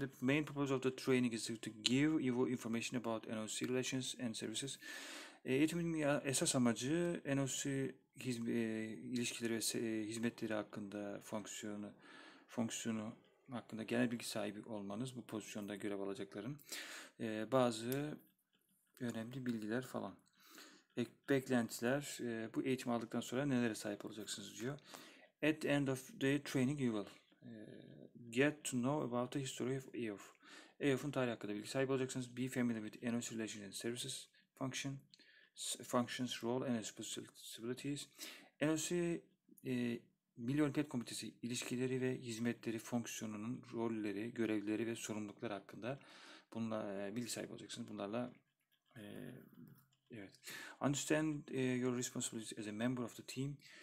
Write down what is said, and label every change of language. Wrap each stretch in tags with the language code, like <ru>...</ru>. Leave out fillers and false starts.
<en>The main purpose of the training is to give you information about NOC relations and services.</en> <tr>Eğitimin esas amacı NOC ilişkileri ve hizmetleri hakkında fonksiyonu hakkında genel bilgi sahibi olmanız, bu pozisyonda görev alacakların bazı önemli bilgiler falan. Beklentiler, bu eğitimi aldıktan sonra nelere sahip olacaksınız diyor.</tr> <en>At the end of the training you will get to know about the history of EOF.</en> <tr>EOF'un tarihi hakkında bilgi sahibi olacaksınız.</tr> <en>Be familiar with NOC Relations and Services functions, role and responsibilities.</en> <tr>NOC Milli Olimpiyat Komitesi ilişkileri ve hizmetleri fonksiyonunun rolleri, görevleri ve sorumlulukları hakkında bununla bilgi sahibi olacaksınız. Bunlarla evet.</tr> <en>Understand your responsibilities as a member of the team.</en>